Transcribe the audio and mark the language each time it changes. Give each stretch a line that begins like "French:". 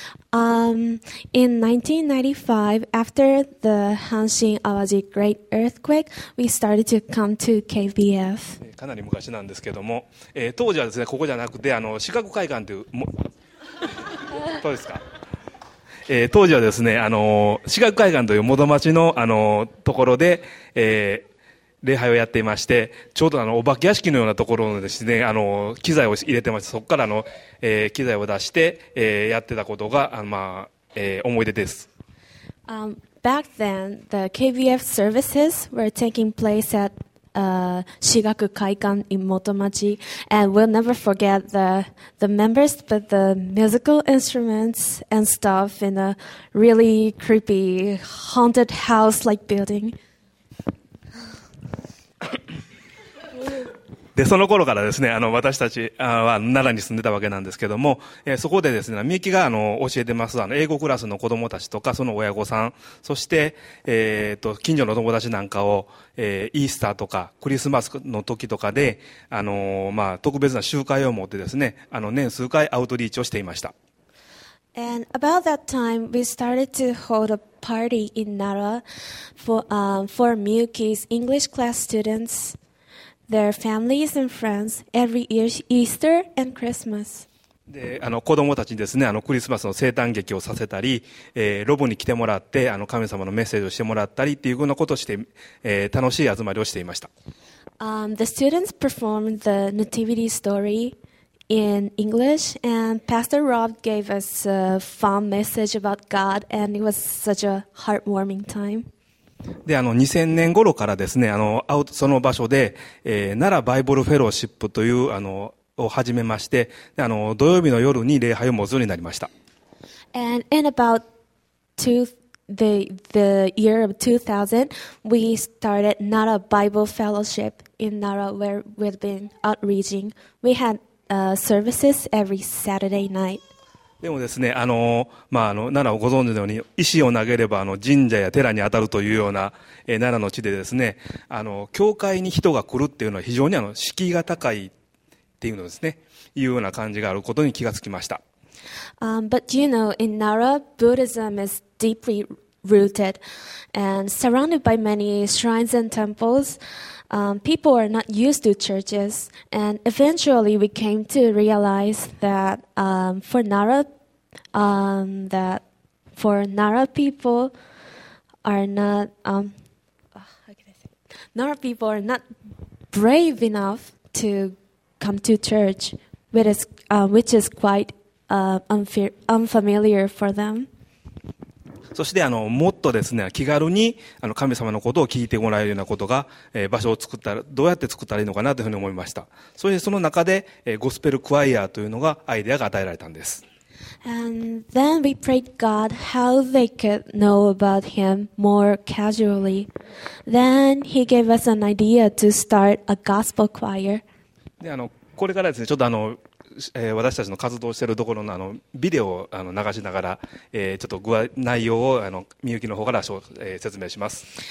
English: In 1995, after the 阪神淡路 Great Earthquake, we started to come to KBF.
Japanese: かなり昔なんですけども、当時はですね、ここじゃなくて、四角海岸という、どうですか？当時はですね、四角海岸という元町の、ところで、礼拝をやっていまして、ちょうどお化け屋敷のようなところのですね、機材を入れてまして、そこから機材を出して、やってたことが思い出です。
English: Back then, the KBF services were taking place at 四角海岸 in 元町 and we'll never forget the members but the musical instruments and stuff in a really creepy haunted house like building.
Japanese: でその頃からですね、私たちは奈良に住んでたわけなんですけども、そこでですね、みゆきが教えてます英語クラスの子どもたちとかその親御さん、そして、近所の友達なんかを、イースターとかクリスマスの時とかで、特別な集会を持ってですね、年数回アウトリーチをしていました。
English: And about that time, we started to hold a party in Nara for Miyuki's English class students, their families and friends every year, Easter and Christmas.
Japanese: で、子供たちにですね、クリスマスの生誕劇をさせたり、ロボに来てもらって、神様のメッセージをしてもらったりっていうようなことをして、楽しい集まりをしていました。
English: The students performed the nativity story. In English, and Pastor Rob gave us a fun message about God, and it was such a heartwarming time.
Japanese: で、2000年頃からですね、その場所で、奈良バイブルフェローシップというを始めまして、土曜日の夜に礼拝を持つようになりました。
English: And in about the year of 2000, we started Nara Bible Fellowship in Nara where we've been outreaching. We hadservices every Saturday night.
Japanese: でもですね、奈良をご存知のように石を投げれば神社や寺に当たるというような、奈良の地でですね、教会に人が来るっていうのは非常に敷居が高いっていうのですね、いうような感じがあることに気がつきました。
English: But you know, in Nara, Buddhism is deeply rooted and surrounded by many shrines and temples. People are not used to churches, and eventually we came to realize that Nara people are not brave enough to come to church, which is quite unfamiliar for them.
Japanese: そしてもっとですね、気軽に神様のことを聞いてもらえるようなことが、場所を作ったら、どうやって作ったらいいのかなというふうに思いました。そしてその中で、ゴスペルクワイアというのがアイデアが与えられたんです。
English: And then we prayed God how they could know about Him more casually. Then He gave us an idea to start a gospel choir.
Japanese: で、これからですね、ちょっと私たちの活動しているところのビデオを流しながら、ちょっと内容をみゆきの方から説明します。